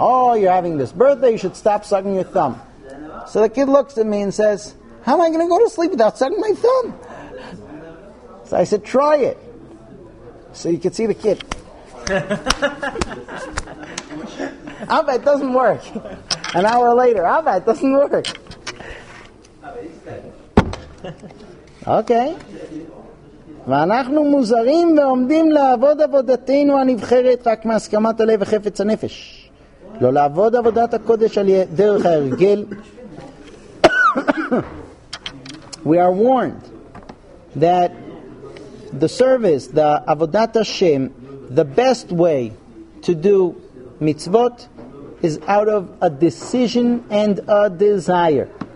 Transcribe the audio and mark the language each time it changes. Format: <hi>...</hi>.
<en>Oh, you're having this birthday, you should stop sucking your thumb. So the kid looks at me and says, how am I going to go to sleep without sucking my thumb? So I said, try it. So you could see the kid. Abba, it doesn't work. An hour later, Abba, it doesn't work. Okay.</en> <he>ואנחנו מוזרים ועומדים לעבוד עבודתנו הנבחרת רק מהסכמת הלב וחפץ הנפש. לא לעבוד עבודת הקודש על דרך ההרגל.</he> <en>We are warned that the service, the avodat Hashem, the best way to do mitzvot is out of a decision and a desire.</en>